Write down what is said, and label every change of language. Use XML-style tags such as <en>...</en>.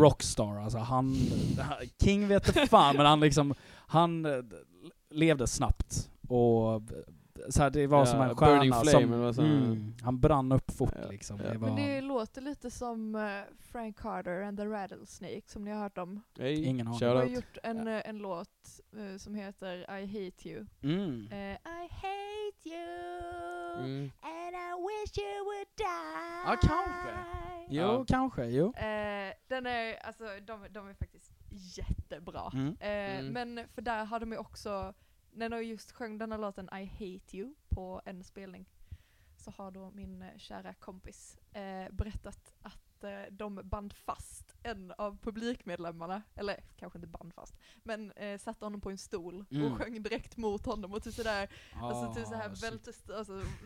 <sv>Rockstar, alltså han king vet inte fan, men han liksom han levde snabbt och så här, det var som en stjärna,</sv> <en>burning flame,</en> <sv>som eller så. Han brann upp fort liksom. Ja. Det var, men det låter lite som Frank Carter and the Rattlesnake, som ni har hört om. Hey. Ingen har. Jag har gjort en låt som heter I Hate You.</sv> <en>I hate you and I wish you would die.</en> <sv>Ja, kanske. Jo, kanske, jo. Den är, alltså, de är faktiskt jättebra. Men för där har de ju också, när de just sjöng den här låten I Hate You på en spelning, så har då min kära kompis berättat att de band fast en av publikmedlemmarna, eller kanske inte band fast, men satte honom på en stol och sjöng direkt mot honom och typ sådär, alltså typ såhär vältest, alltså</sv>